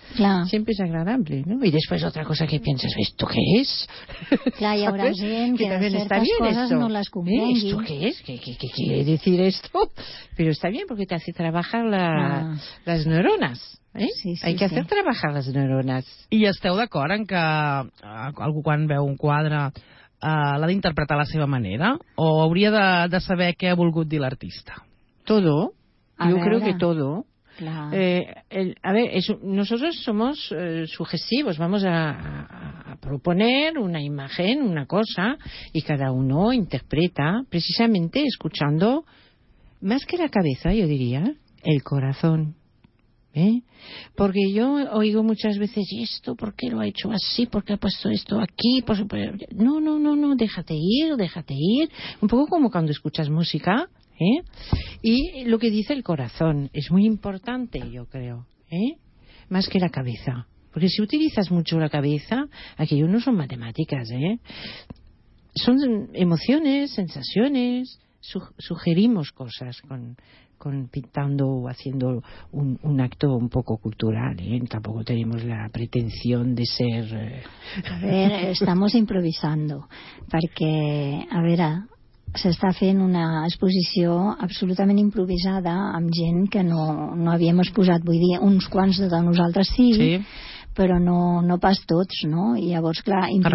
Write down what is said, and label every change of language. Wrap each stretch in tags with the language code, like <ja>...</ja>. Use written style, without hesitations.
<es>Claro. Siempre es agradable, ¿no? Y después otra cosa que piensas, ¿esto qué es? Claro, y ahora sí, que también está bien esto. No las cumplen, ¿esto qué es? ¿Qué quiere decir esto? Pero está bien porque te hace trabajar las neuronas. Sí, hay que hacer</es> <ca>trabajar les neurones. I esteu d'acord en que algú quan veu un quadre l'ha d'interpretar a la seva manera? O hauria de saber què ha volgut dir l'artista?</ca> <es>Todo. Yo creo que todo. Claro. Nosotros somos sugestivos, vamos a proponer una imagen, una cosa, y cada uno interpreta precisamente escuchando más que la cabeza, yo diría, el corazón. Porque yo oigo muchas veces, ¿y esto por qué lo ha hecho así? ¿Por qué ha puesto esto aquí? No, déjate ir. Un poco como cuando escuchas música, Y lo que dice el corazón es muy importante, yo creo, Más que la cabeza. Porque si utilizas mucho la cabeza, aquello no son matemáticas, Son emociones, sensaciones, sugerimos cosas con pintando o haciendo un acto un poco cultural, Tampoco tenemos la pretensión de ser... Estamos improvisando,</es> <ca>perquè, s'està fent una exposició absolutament improvisada amb gent que no havíem exposat, vull dir, uns quants de nosaltres sí. Però no pas tots, no? I llavors, clar, improvisem...</ca>